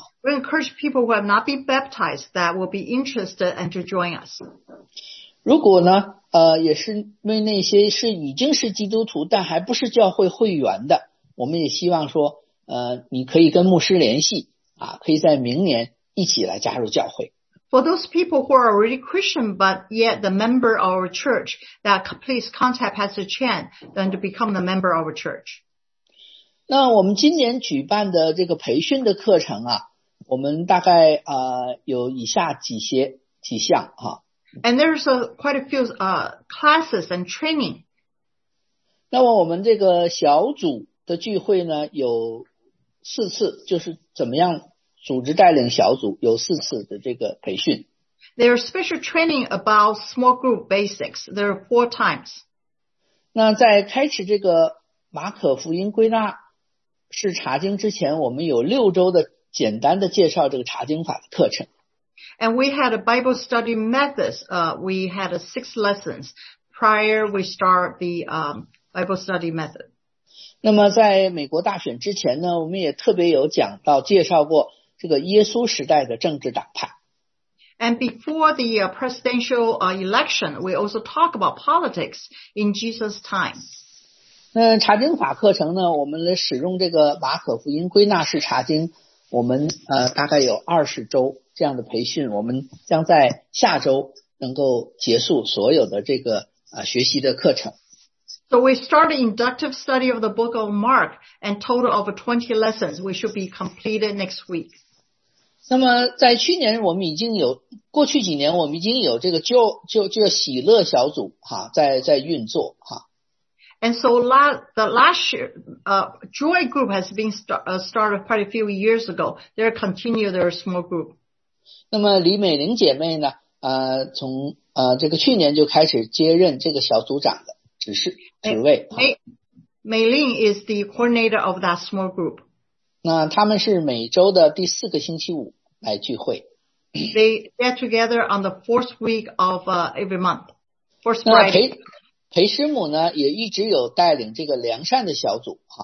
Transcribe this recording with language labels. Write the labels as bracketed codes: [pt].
[en] We encourage people who have not been baptized that will be interested and to join us. [zh] 如果呢，也是为那些是已经是基督徒但还不是教会会员的，我们也希望说，你可以跟牧师联系。可以在明年一起来加入教会。 [en] For those people who are already Christian, but yet the member of our church, that please contact Pastor Chen and to become the member of our church. [zh] 那我们今年举办的这个培训的课程啊，我们大概有以下几项啊。 [en] And there's quite a few classes and training. [zh] 那么我们这个小组的聚会呢，有四次，就是怎么样组织带领小组，有四次的这个培训。 [en] There are special training about small group basics. There are four times. [zh] 那在开始这个马可福音归纳式查经之前，我们有六周的简单的介绍这个查经法的课程。 [en] And we had a Bible study methods. We had six lessons prior we start the Bible study method. [zh] 那么在美国大选之前呢，我们也特别有讲到介绍过这个耶稣时代的政治党派。 [en] And before the presidential election, we also talk about politics in Jesus' time. [zh] 那查经法课程呢，我们使用这个马可福音归纳式查经，我们大概有20周这样的培训，我们将在下周能够结束所有的这个学习的课程。 [en] So we start an inductive study of the book of Mark and total of 20 lessons we should be completed next week. [zh] 那么在去年我们已经有过去几年我们已经有这个就喜乐小组在运作。 [en] And so the last year, Joy Group has been started quite a few years ago. They continue their small group. [zh] 那么李美玲姐妹呢从这个去年就开始接任这个小组长的职位。 [en] 美玲 is the coordinator of that small group. [zh] 那他们是每周的第四个星期五来聚会。 [en] They get together on the fourth week of every month. First Friday. [zh] 裴师母呢也一直有带领这个良善的小组。